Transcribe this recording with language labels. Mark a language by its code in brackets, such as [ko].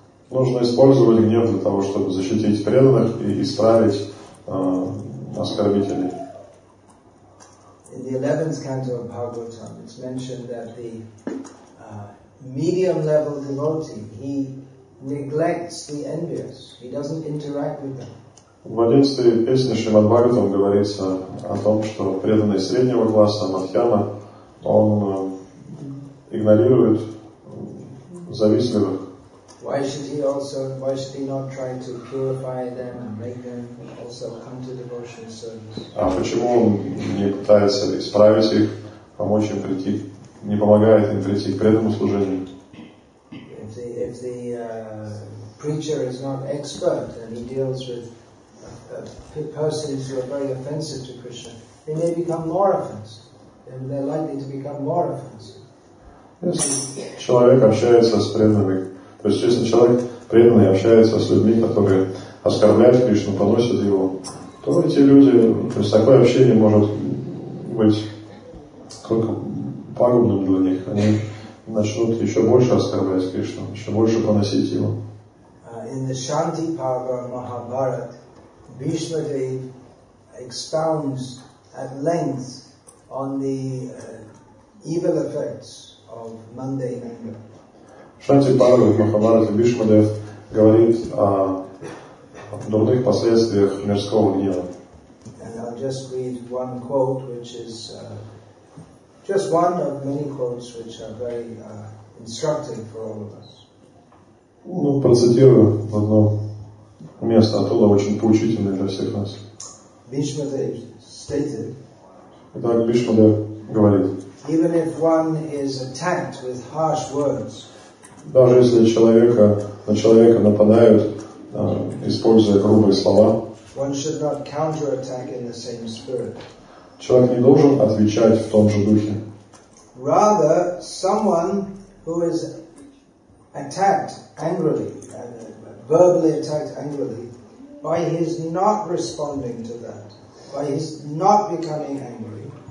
[ru] Нужно использовать гнев для того, чтобы защитить преданных и исправить оскорбителей. [en] In the 11th canto of Bhagavatam, it's mentioned that the medium-level devotee, he neglects the envious. He doesn't interact with them. [ru] В 11-й песне Шримад Бхагаватам говорится о том, что преданный среднего класса, Мадхьяма, он игнорирует завистливых. [en] Why should he not try to purify them and make them also come to devotional service? [ru] А почему он не пытается исправить их, помочь им прийти, не помогает им прийти к преданному служению? [en] If the preacher is not expert and he deals with persons who are very offensive to Krishna, they may become more offensive. And they're likely to become more offensive. [ru] Если человек общается с преданными. То есть, если человек преданный общается с людьми, которые оскорбляют Кришну, поносят его, то эти люди, то есть такое общение может быть только пагубным для них. Они начнут еще больше оскорблять Кришну, еще больше поносить его. [en] In the Shanti Parva Mahabharat, Bhishma Dev expounds at length on the evil effects of mundane anger. [ru] Шанти Бхагават Махабхарата Бхишма Дев говорит о дурных последствиях мирского гнева. [en] And I'll just read one quote, which is just one of many quotes which are very instructive for all of us. [ru] Ну, процитирую одно место, оттуда очень поучительное для всех нас. [en] Bhishma Dev stated. [ru] Итак, Бхишма Дев говорит. [en] Even if one is attacked with harsh words. [ru] Даже если человека, на человека нападают, используя грубые слова, [en] one should not counter-attack in the same spirit. [ru] Человек не должен отвечать в том же духе. [en] Rather, someone who is attacked angrily, verbally attacked angrily, by his not responding to that, by his not becoming angry,